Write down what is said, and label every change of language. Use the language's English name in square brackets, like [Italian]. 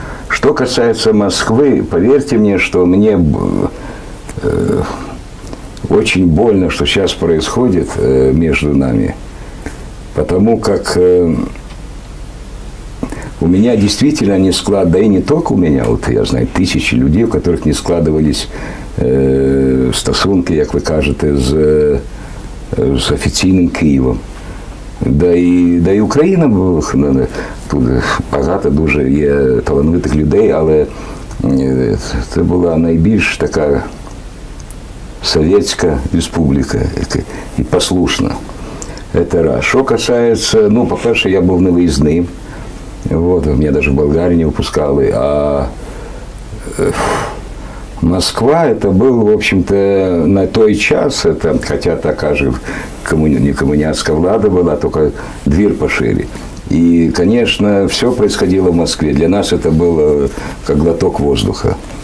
[Russian] Что касается Москвы, поверьте мне, что мне очень больно, что сейчас происходит между нами. Потому как у меня действительно не склад, да и не только у меня, вот я знаю, тысячи людей, у которых не складывались стосунки, как вы кажете, [Ukrainian] з офіційним Києвом. Да і Україна, бо тут багато дуже є талановитих людей, але це була найбільш така совєтська республіка і послушна. [Russian] Это раз. [Ukrainian] Що касається, ну, по-перше, я був невиїзним. Вот, мене навіть в Болгарії не випускали. [Russian] А Москва, это был, в общем-то, [Ukrainian] на той час, [Russian] это, хотя такая же не коммунистская влада была, только дверь пошире. И, конечно, все происходило в Москве. Для нас это было как глоток воздуха.